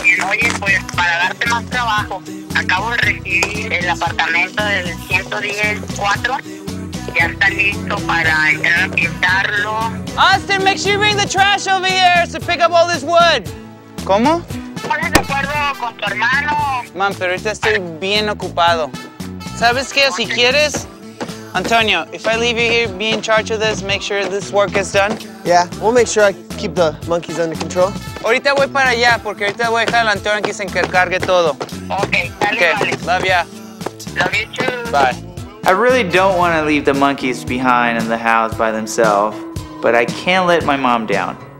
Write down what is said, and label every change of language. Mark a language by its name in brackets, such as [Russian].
[Spanish] Oye, pues para darte más trabajo, acabo de recibir el apartamento del 110-4 ya está listo para entrar a pintarlo. [English] Austin, make sure you bring the trash over here to pick up all this wood. [Spanish] ¿Cómo? ¿Pones de acuerdo con tu hermano? Mam, pero ahorita estoy bien ocupado. ¿Sabes qué? Si quieres, [English] Antonio, if I leave you here, be in charge of this, make sure this work is done. Yeah, we'll make sure I keep the monkeys under control. [Spanish] Ahorita voy para allá, porque ahorita voy a dejar al Antonio que se encargue todo. Okay, dale. [English] Love ya. Love you too. Bye. I really don't want to leave the monkeys behind in the house by themselves, but I can't let my mom down.